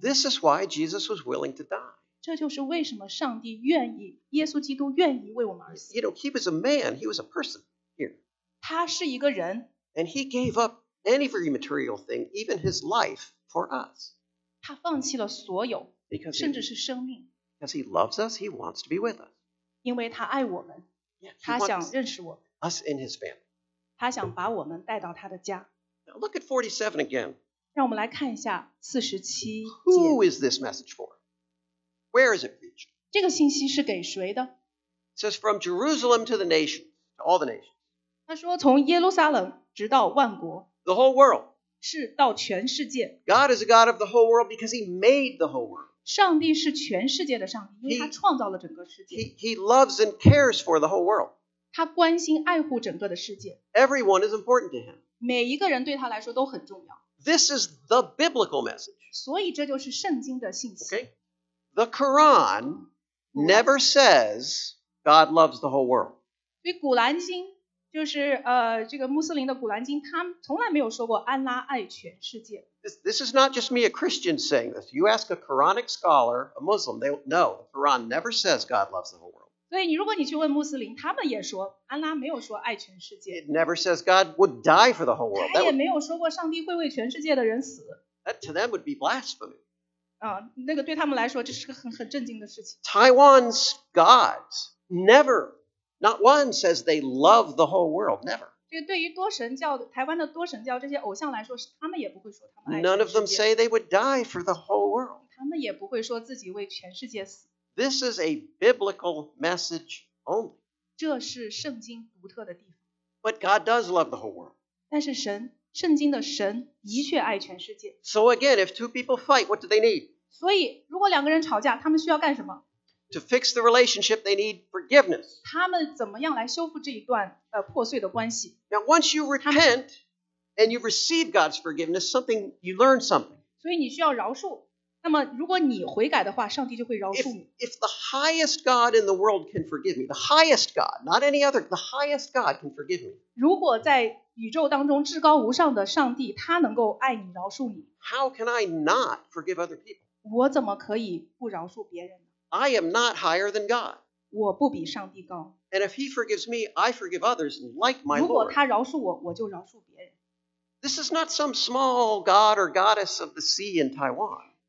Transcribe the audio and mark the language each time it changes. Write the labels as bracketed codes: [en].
[en] This is why Jesus was willing to die. [zh] 这就是为什么上帝愿意，耶稣基督愿意为我们而死。 [en] You know, he was a man, he was a person here. [zh] 他是一个人。 [en] And he gave up every material thing, even his life, for us. [zh] 他放弃了所有，甚至是生命。 [en] Because he loves us, he wants to be with us. [zh] 因为他爱我们，他想认识我们。 [en] Yeah, he wants us in his family. [zh] 他想把我们带到他的家。 [en] Now look at 47 again. [zh] 让我们来看一下47节。 [en] Who is this message for? Where is it preached? [zh] 这个信息是给谁的? [en] It says, from Jerusalem to the nations, to all the nations. [zh] 他说从耶路撒冷直到万国。 [en] The whole world. [zh] 是到全世界。 [en] God is a God of the whole world because he made the whole world. [zh] 上帝是全世界的上帝，因为他创造了整个世界。 [en] He loves and cares for the whole world. [zh] 他关心爱护整个的世界。 [en] Everyone is important to him. [zh] 每一个人对他来说都很重要。 [en] This is the biblical message. [zh] 所以这就是圣经的信息。 [en] Okay. The Quran never says God loves the whole world. [zh] 所以古兰经，就是这个穆斯林的古兰经，他从来没有说过安拉爱全世界。 [en] This is not just me, a Christian, saying this. You ask a Quranic scholar, a Muslim, they know the Quran never says God loves the whole world. [zh] 所以如果你去问穆斯林，他们也说安拉没有说爱全世界。 [en] It never says God would die for the whole world. [zh] 他也没有说过上帝会为全世界的人死。 [en] That to them would be blasphemy. [zh] 那个对他们来说，这是个很震惊的事情。 [en] Taiwan's gods never, not one says they love the whole world, never. [zh] 对于多神教，台湾的多神教这些偶像来说，他们也不会说他们爱全世界。 [en] None of them say they would die for the whole world. [zh] 他们也不会说自己为全世界死。 [en] This is a biblical message only. [zh] 这是圣经独特的地方。 [en] But God does love the whole world. [zh] 但是神，圣经的神的确爱全世界。 [en] So again, if two people fight, what do they need? [zh] 所以如果两个人吵架，他们需要干什么？ [en] To fix the relationship, they need forgiveness. [zh] 他们怎么样来修复这一段破碎的关系？ [en] Now once you repent and you receive God's forgiveness, something you learn something. [zh] 所以你需要饶恕。那么如果你悔改的话，上帝就会饶恕你。 [en] If the highest God in the world can forgive me, the highest God, not any other, the highest God can forgive me. [zh] 如果在宇宙当中至高无上的上帝，他能够爱你饶恕你。 [en] How can I not forgive other people? [zh] 我怎么可以不饶恕别人呢? [en] I am not higher than God. [zh] 我不比上帝高。 [en] And if he forgives me, I forgive others like my Lord. [zh] 如果他饶恕我，我就饶恕别人。 [en] This is not some small god or goddess of the sea in Taiwan.